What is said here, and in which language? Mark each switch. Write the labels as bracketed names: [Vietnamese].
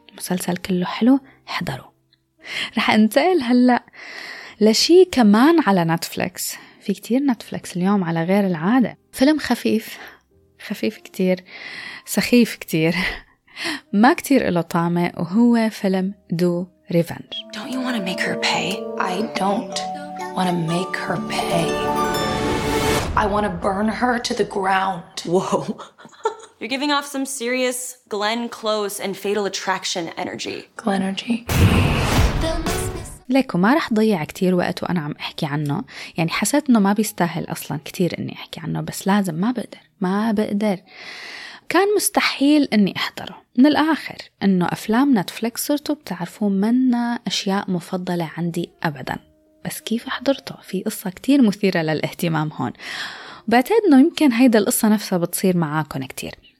[Arabic] المسلسل كله حلو، حضروا. رح انتقل هلأ لشي كمان على نتفليكس، في كتير نتفليكس اليوم على غير العادة، فيلم خفيف خفيف كتير، سخيف كتير، ما كتير إله طامة، وهو فيلم دو ريفنج. [English] Don't you wanna make her pay? I don't wanna make her pay. I wanna burn her to the ground. Whoa. You're giving off some serious Glenn Close and Fatal Attraction energy. Glenn energy. [Arabic] ليكو ما رح ضيع كتير وقت وأنا عم أحكي عنه، يعني حسيت أنه ما بيستاهل أصلاً كتير أني أحكي عنه، بس لازم، ما بقدر. كان مستحيل أني أحضره. من الآخر أنه أفلام نتفليكس صرتوا بتعرفون منها أشياء مفضلة عندي أبداً، بس كيف أحضرته؟ في قصة كتير مثيرة للاهتمام هون، وبعتقد أنه يمكن هيدا القصة نفسها بتصير معاكم كتير.